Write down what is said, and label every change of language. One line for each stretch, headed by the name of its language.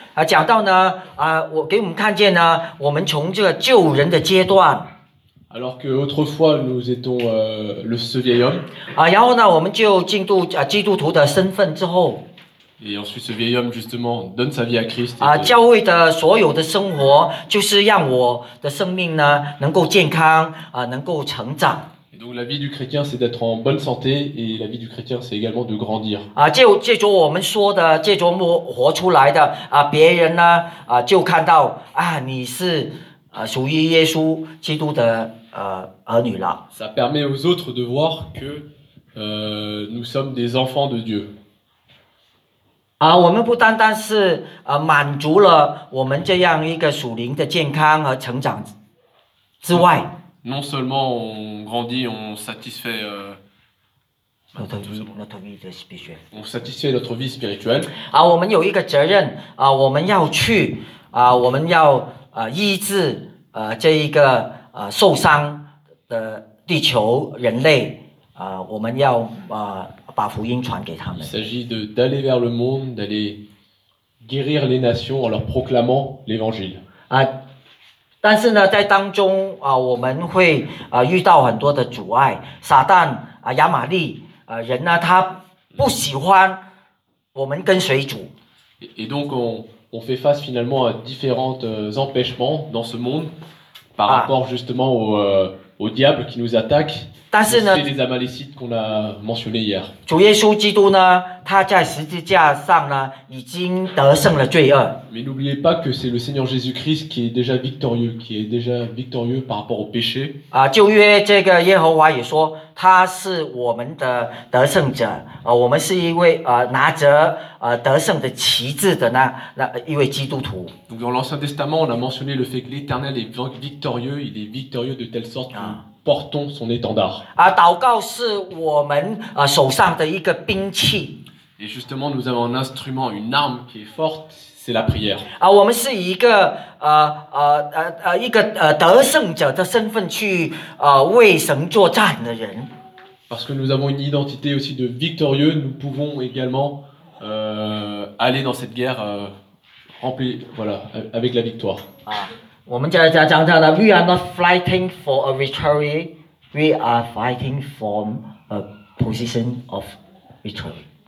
Chinese: 讲到呢，我给我们看见呢，我们从这个旧人的阶段。
French: Alors que autrefois nous étions ce vieil homme.
Chinese: 然后呢，我们就进入基督徒的身份之后。
French: Et ensuite ce vieil homme justement donne sa vie à Christ.
Chinese: 教会的所有的生活，就是让我的生命呢能够健康，能够成长。
French: Et donc la vie du chrétien c'est d'être en bonne santé et la vie du chrétien c'est également de grandir.
Chinese: 借着我们说的，借着活出来的，别人呢，就看到你是。属于耶稣基督的儿女了。
French: Ça permet aux autres de voir que nous sommes des enfants de Dieu.
Chinese: 我们不单单是满足了我们这样一个属灵的健康和成长之外。
French: Non seulement on grandit, on satisfait. On satisfait notre vie spirituelle.
Chinese: 我们有一个责任我们要去我们要医治。这一个受伤的地球人类我们要把福音传给他们。
French: Il s'agit de d'aller vers le monde, d'aller guérir les nations en leur proclamant l'évangile.
Chinese: 但是呢，在当中我们会遇到很多的阻碍。撒旦亚玛力人呢，他不喜欢我们跟随主。
French: Et donc on fait face finalement à différents empêchements dans ce monde par rapport justement au diable qui nous attaque et les amalécites qu'on a mentionnés hier.
Chinese: 主耶稣基督呢，他在十字架上呢，已经得胜了罪恶。
French: Mais n'oubliez pas que c'est le Seigneur Jésus-Christ qui est déjà victorieux, qui est déjà victorieux par rapport au péché.
Chinese: 旧约这个耶和华也说，他是我们的得胜者，我们是一位拿着得胜的旗帜的那一位基督徒。
French: Donc dans l'Ancien Testament, on a mentionné le fait que l'Éternel est victorieux, il est victorieux de telle sorte que portons son étendard.
Chinese: 祷告是我们手上的一个兵器。
French: Et justement, nous avons un instrument, une arme qui est forte, c'est la prière.
Chinese: 啊，我们是一个呃呃呃一个呃得胜者的身份去呃为神作战的人。
French: Parce que nous avons une identité aussi de victorieux, nous pouvons également euh, aller dans cette guerre euh, remplie, voilà, avec la victoire.
English: Ah,
Chinese: 我们讲讲讲讲的
English: ，We are not fighting for a victory, we are fighting for a position of victory.